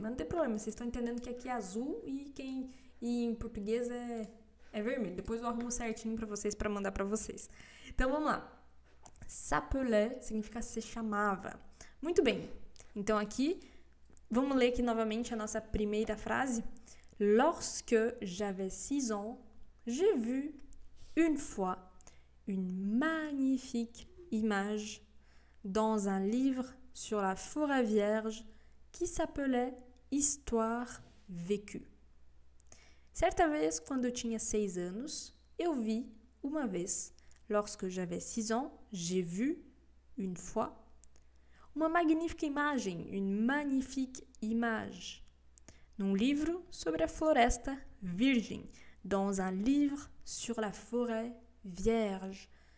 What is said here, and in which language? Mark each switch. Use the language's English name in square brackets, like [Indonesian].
[Portuguese] Mas não tem problema, vocês estão entendendo que aqui é azul e quem. E em português é vermelho. Depois eu arrumo certinho pra vocês, pra mandar pra vocês. Então vamos lá. S'appelait significa se chamava. Muito bem. Então aqui, vamos ler aqui novamente a nossa primeira frase. [French] Lorsque j'avais 6 ans, j'ai vu une fois une magnifique image dans un livre sur la forêt vierge qui s'appelait Histoire vécue. [Portuguese] Certa vez, quando eu tinha 6 anos, eu vi uma vez, [French] lorsque j'avais 6 ans, j'ai vu une fois [Portuguese] uma magnifique imagem, [French] une magnifique image. [Portuguese] Num livro sobre a floresta virgem. [French] Dans un livre sur la forêt vierge.